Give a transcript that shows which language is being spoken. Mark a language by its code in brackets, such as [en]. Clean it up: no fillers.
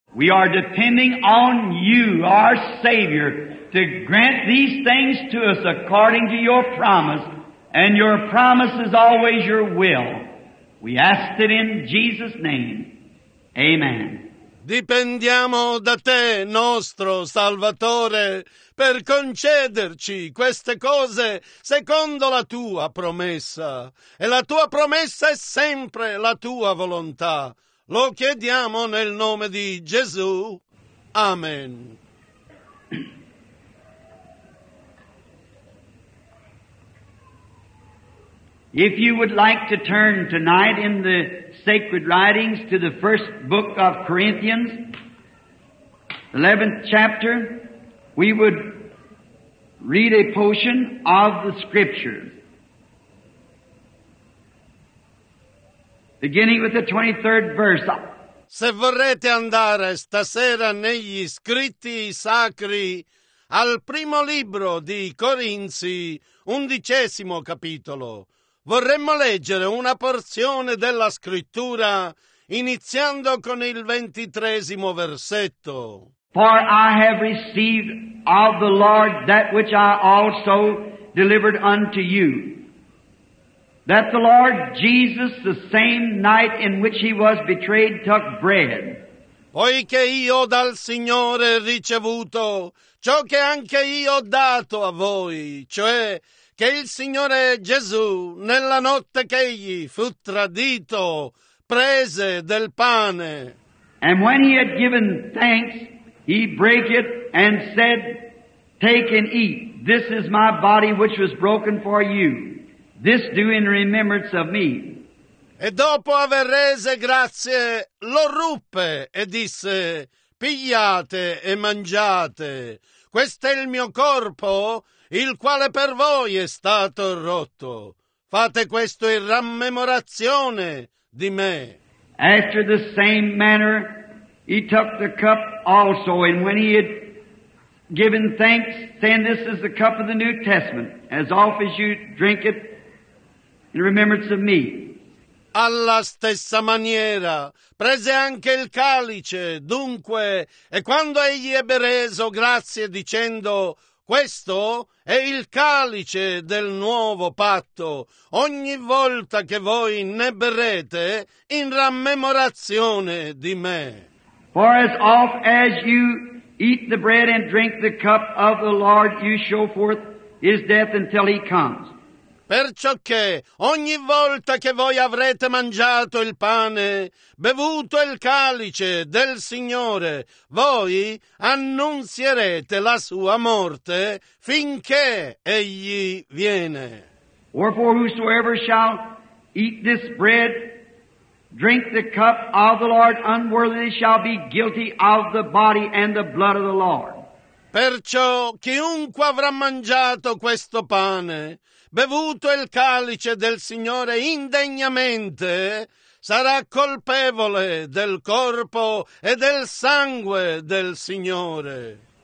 [en] We are depending on you, our Savior, to grant these things to us according to your promise, and your promise is always your will. We ask it in Jesus' name. Amen. [it] Dipendiamo da te, nostro Salvatore, per concederci queste cose secondo la tua promessa. E la tua promessa è sempre la tua volontà. Lo chiediamo nel nome di Gesù. Amen. [en] If you would like to turn tonight in the sacred writings to the first book of Corinthians, 11th chapter, we would read a portion of the scripture. Beginning with the 23rd verse. [it] Se vorrete andare stasera negli scritti sacri al primo libro di Corinzi, 11° capitolo, vorremmo leggere una porzione della scrittura iniziando con il 23° versetto. [en] For I have received of the Lord that which I also delivered unto you, that the Lord Jesus, the same night in which he was betrayed, took bread. [it] Poiché io dal Signore ricevuto ciò che anche io ho dato a voi, cioè che il Signore Gesù, nella notte che egli fu tradito, prese del pane. [en] And when he had given thanks, he broke it and said, take and eat, this is my body which was broken for you. This do in remembrance of me. [it] E dopo aver rese grazie, lo ruppe e disse, pigliate e mangiate, questo è il mio corpo, il quale per voi è stato rotto. Fate questo in rammemorazione di me. [en] After the same manner, he took the cup also, and when he had given thanks, saying, this is the cup of the New Testament, as often as you drink it, in remembrance of me. [it] Alla stessa maniera, prese anche il calice, dunque, e quando egli ebbe reso grazie dicendo, questo è il calice del nuovo patto, ogni volta che voi ne berrete, in rammemorazione di me. [en] For as oft as you eat the bread and drink the cup of the Lord, you show forth his death until he comes. [it] Perciò che ogni volta che voi avrete mangiato il pane, bevuto il calice del Signore, voi annunzierete la sua morte finché egli viene. [en] Wherefore whosoever shall eat this bread, drink the cup of the Lord unworthily, shall be guilty of the body and the blood of the Lord. [it] Perciò chiunque avrà mangiato questo pane, bevuto il calice del Signore indegnamente, sarà colpevole del corpo e del sangue del Signore.